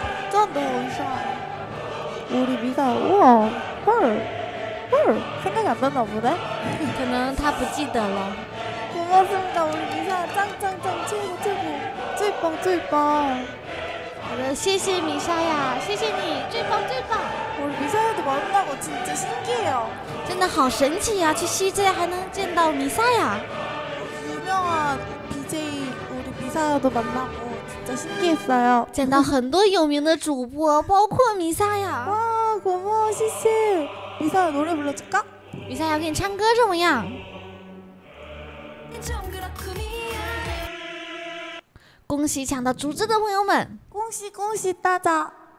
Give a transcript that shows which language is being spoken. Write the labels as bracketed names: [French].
[Chinese] 真的很帅。 [Korean] 우리미사와헐생각이안났나보네 [Chinese] 可能他不记得了 [Korean] 고맙습니다우리미사짱짱짱최고최고 [Chinese] 最棒最棒好的谢谢미사야谢谢你最棒最棒 [Korean] 우리미사야도만나고진짜신기해요 [Chinese] 真的好神奇呀去西街还能见到미사야 [Korean] 유명한 DJ 우리미사야도만나고진짜신기했어요 [Chinese] 见到很多有名的主播包括미사야 [Korean] 고마워씨씨미사야노래불러줄까 [Chinese] 미사야그냥唱歌怎么样恭喜抢到竹子的朋友们，恭喜恭喜大家。